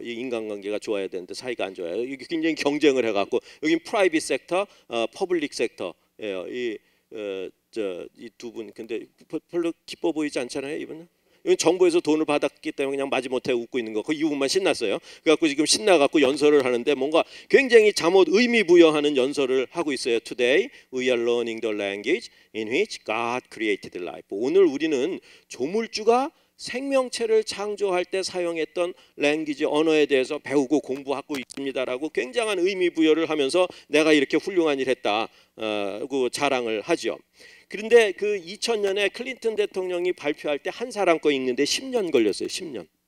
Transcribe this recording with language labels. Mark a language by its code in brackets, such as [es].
[ko] 이 인간관계가 좋아야 되는데 사이가 안 좋아요. 이게 굉장히 경쟁을 해갖고 여기 프라이빗 섹터, 퍼블릭 섹터예요. 이 저 이 두 분 근데 별로 기뻐 보이지 않잖아요 이분은. 이건 정부에서 돈을 받았기 때문에 그냥 마지못해 웃고 있는 거. 그 이분만 신났어요. 그래갖고 지금 신나갖고 연설을 하는데 뭔가 굉장히 잠옷 의미 부여하는 연설을 하고 있어요. [en] Today we are learning the language in which God created life. [ko] 오늘 우리는 조물주가 생명체를 창조할 때 사용했던 랭귀지 언어에 대해서 배우고 공부하고 있습니다라고 굉장한 의미 부여를 하면서 내가 이렇게 훌륭한 일 했다고 자랑을 하죠. 그런데 그 2000년에 클린턴 대통령이 발표할 때 한 사람 거 읽는데 10년 걸렸어요. 10년.